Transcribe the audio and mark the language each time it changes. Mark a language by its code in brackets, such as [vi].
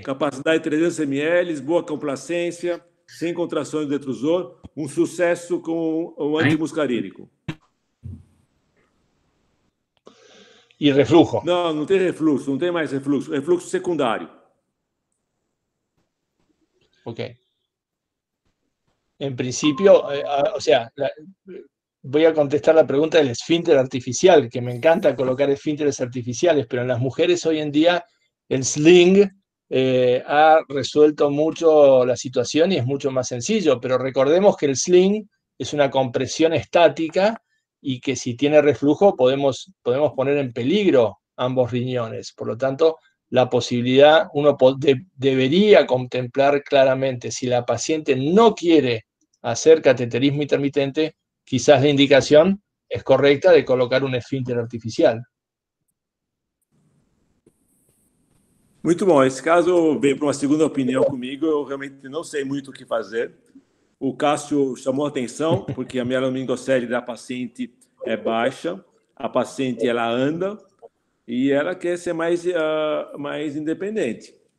[pt] capacidade 300 ml, boa complacência, sem contrações do detrusor, um sucesso com o antimuscarínico. E refluxo. Não, não tem refluxo, não tem mais refluxo, refluxo secundário. Ok. [es] En principio, o sea, voy a contestar la pregunta del esfínter artificial, que me encanta colocar esfínteres artificiales, pero en las mujeres hoy en día el sling ha resuelto mucho la situación y es mucho más sencillo. Pero recordemos que el sling es una compresión estática y que si tiene reflujo podemos poner en peligro ambos riñones. Por lo tanto, la posibilidad, uno debería contemplar claramente si la paciente no quiere hacer cateterismo intermitente, quizás la indicación es correcta de colocar un esfínter artificial. [pt] Muito bom. Esse caso veio para uma segunda opinião comigo. Eu realmente não sei muito o que fazer. O Cássio chamou a atenção porque a mielomeningocele da paciente é baixa. A paciente ela anda e ela quer ser mais independente.